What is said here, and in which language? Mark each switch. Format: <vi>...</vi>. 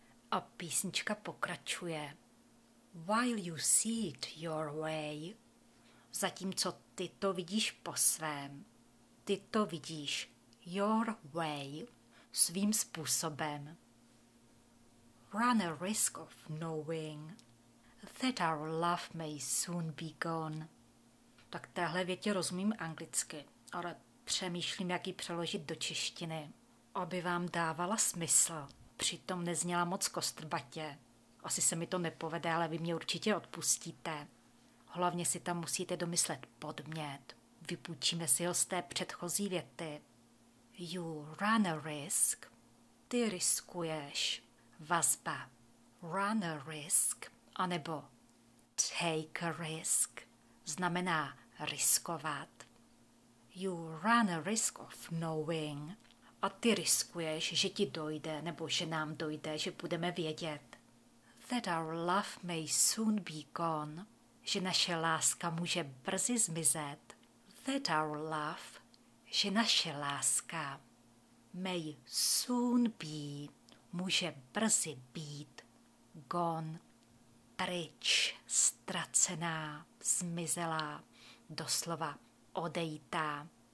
<cs>A písnička pokračuje.</cs> <en>While you see it your way,</en> <cs>zatímco ty to vidíš po svém, ty to vidíš</cs> <en>your way,</en> <cs>svým způsobem.</cs> <en>Run a risk of knowing that our love may soon be gone.</en> <cs>Tak téhle větě rozumím anglicky, ale přemýšlím, jak ji přeložit do češtiny, aby vám dávala smysl. Přitom nezněla moc kostrbatě. Asi se mi to nepovede, ale vy mě určitě odpustíte. Hlavně si tam musíte domyslet podmět. Vypůjčíme si ho z té předchozí věty.</cs> <en>You run a risk.</en> <cs>Ty riskuješ. Vazba.</cs> <en>Run a risk. Anebo take a risk.</en> <cs>Znamená riskovat.</cs> <en>You run a risk of knowing.</en> <cs>A ty riskuješ, že ti dojde, nebo že nám dojde, že budeme vědět.</cs> <en>That our love may soon be gone.</en> <cs>Že naše láska může brzy zmizet.</cs> <en>That our love,</en> <cs>že naše láska</cs> <en>may soon be,</en> <cs>může brzy být,</cs> <en>gone,</en> <cs>pryč, ztracená, zmizela, doslova odejítá.</cs>